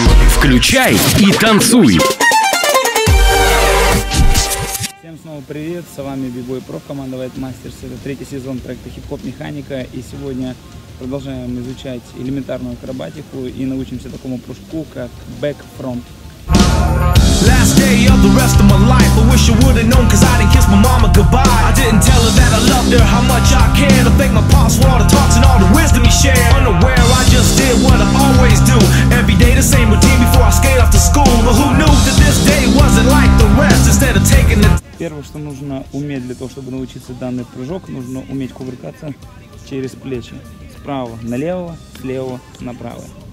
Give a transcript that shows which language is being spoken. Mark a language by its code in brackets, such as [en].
[ru] Включай и танцуй. Всем снова привет, с вами Бигбой Проф, команда White Masters. Это третий сезон проекта Хип-Хоп Механика. И сегодня продолжаем изучать элементарную акробатику и научимся такому прыжку, как Back Front. [en] Last day of the rest of my life, I wish I would've known, cause I didn't kiss my mama goodbye. I didn't tell her that I loved her, how much I cared. I thank my pops for all the talks and all the wisdom he shared. Unaware, I just did what I always do. Every day the same routine before I skate off to school. But who knew that this day wasn't like the rest? Instead of taking the... [ru] Первое, что нужно уметь для того, чтобы научиться данный прыжок, нужно уметь кувыркаться через плечи. Справа налево, слева направо.